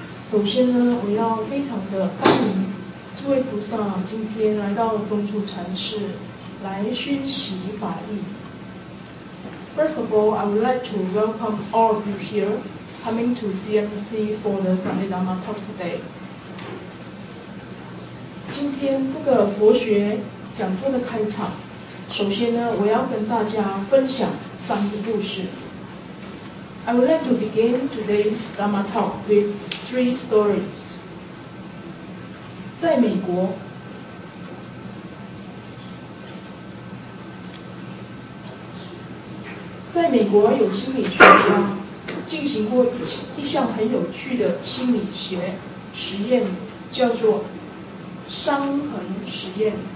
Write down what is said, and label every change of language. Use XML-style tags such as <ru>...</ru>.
<zh>首先呢，我要非常的欢迎这位菩萨今天来到东处禅寺来熏习法义。</zh> <en>First of all, I would like to welcome all of you here coming to CMC for the Sunday Dharma Talk today.</en> <zh>今天这个佛学讲座的开场，首先呢，我要跟大家分享三个故事。</zh> <en>I would like to begin today's Dharma Talk with three stories.</en> <zh>在美国，在美国有心理学家进行过一项很有趣的心理学实验，叫做伤痕实验。</zh>